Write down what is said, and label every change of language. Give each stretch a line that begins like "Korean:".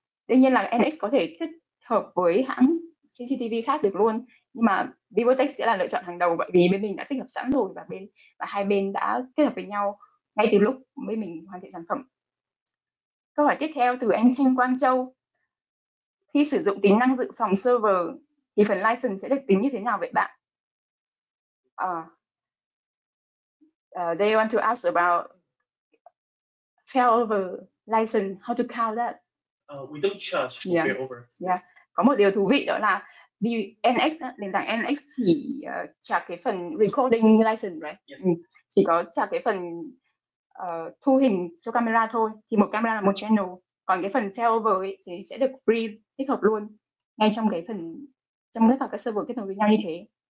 Vietnamese: Tuy nhiên là NX có thể tích hợp với hãng CCTV khác được luôn, nhưng mà Vuetech sẽ là lựa chọn hàng đầu bởi vì bên mình đã tích hợp sẵn rồi và hai bên đã kết hợp với nhau ngay từ lúc bên mình hoàn thiện sản phẩm. Câu hỏi tiếp theo từ anh Thanh Quang Châu. Khi sử dụng tính năng dự phòng server thì phần license sẽ được tính như thế nào vậy bạn?
English: They want to ask about failover license, how to count that? We don't charge for failover. Yeah.
Vietnamese: Có một điều thú vị đó là NX, nền tảng NX chỉ trả cái phần recording license,
English: right? Yes.
Vietnamese: Chỉ có trả cái phần thu hình cho camera thôi, thì một camera là một channel, còn cái phần failover ấy thì sẽ được free tích hợp luôn ngay trong cái phần trong tất cả các server kết nối với nhau như thế.